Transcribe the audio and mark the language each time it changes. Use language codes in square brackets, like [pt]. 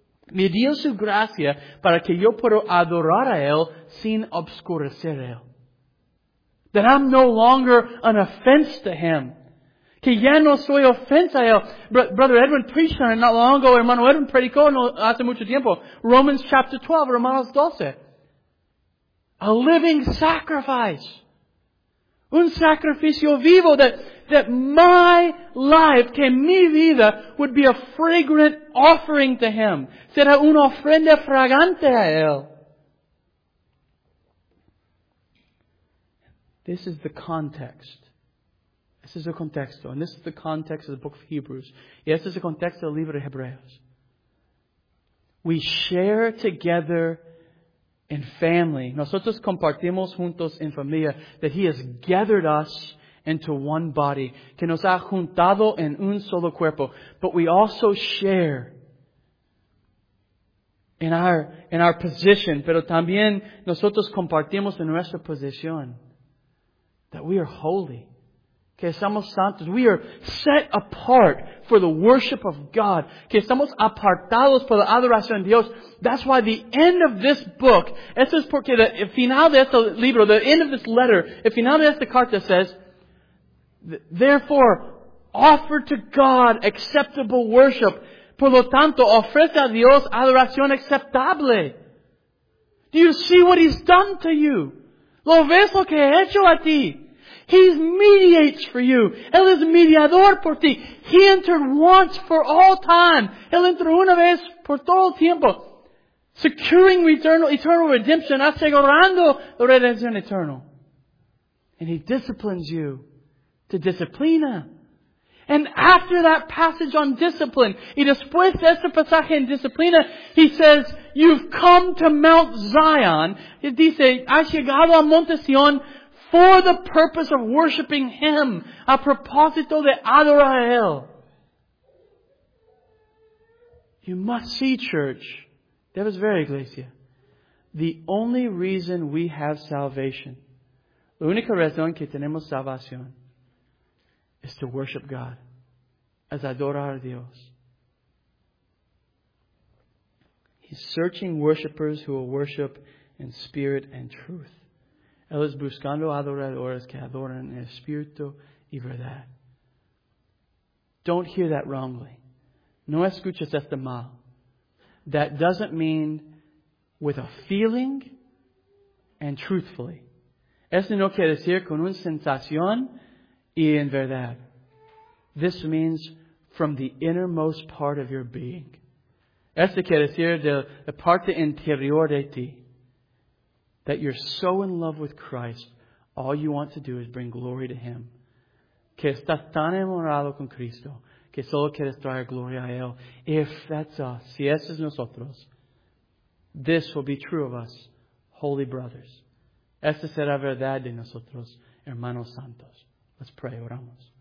[es] Me dio su gracia para que yo pueda adorar a Él sin obscurecer a Él. [en] That I'm no longer an offense to Him. [es] Que ya no soy ofensa a Él. [en] Brother Edwin preached on it not long ago. [es] Hermano Edwin predicó no hace mucho tiempo. [en] Romans chapter 12, [es] Romanos 12. [en] A living sacrifice. [es] Un sacrificio vivo [en] that my life, [es] que mi vida, [en] would be a fragrant offering to Him. [es] Será una ofrenda fragante a Él. [en] This is the context. This is the contexto. And this is the context of the book of Hebrews. [es] Y este es el contexto del libro de Hebreos. [en] We share together in family. [es] Nosotros compartimos juntos en familia. [en] That He has gathered us into one body. [es] Que nos ha juntado en un solo cuerpo. [en] But we also share in our position. [es] Pero también nosotros compartimos en nuestra posición. [en] That we are holy. [es] Que estamos santos. [en] We are set apart for the worship of God. [es] Que estamos apartados por la adoración de Dios. [en] That's why the end of this book, [es] esto es porque el final de este libro, [en] the end of this letter, [es] el final de esta carta [en] says, therefore, offer to God acceptable worship. [es] Por lo tanto, ofrece a Dios adoración aceptable. [en] Do you see what He's done to you? [es] ¿Lo ves lo que ha hecho a ti? [en] He mediates for you. [es] Él es mediador por ti. [en] He entered once for all time. [es] Él entró una vez por todo el tiempo. Securing eternal redemption. Asegurando la redención eternal. [en] And He disciplines you. To disciplina. And after that passage on discipline. [es] Y después de este pasaje en disciplina. [en] He says, you've come to Mount Zion. [es] Y dice, has llegado a Monte Sion. [en] For the purpose of worshiping Him. [es] A propósito de adorar a Él. [en] You must see, church. [es] Debes ver, iglesia. [en] The only reason we have salvation. [es] La única razón que tenemos salvación. [en] Is to worship God. [es] Es adorar a Dios. [en] He's searching worshipers who will worship in spirit and truth. [es] Él es buscando adoradores que adoran en espíritu y verdad. [en] Don't hear that wrongly. [es] No escuches esto mal. [en] That doesn't mean with a feeling and truthfully. [es] Esto no quiere decir con una sensación y en verdad. [en] This means from the innermost part of your being. [es] Esto quiere decir de la parte interior de ti. [en] That you're so in love with Christ, all you want to do is bring glory to Him. [es] Que estás tan enamorado con Cristo, que solo quieres traer gloria a Él. [en] If that's us, [es] si eso es nosotros, [en] this will be true of us, holy brothers. [es] Esta será verdad de nosotros, hermanos santos. [en] Let's pray, [es] oramos.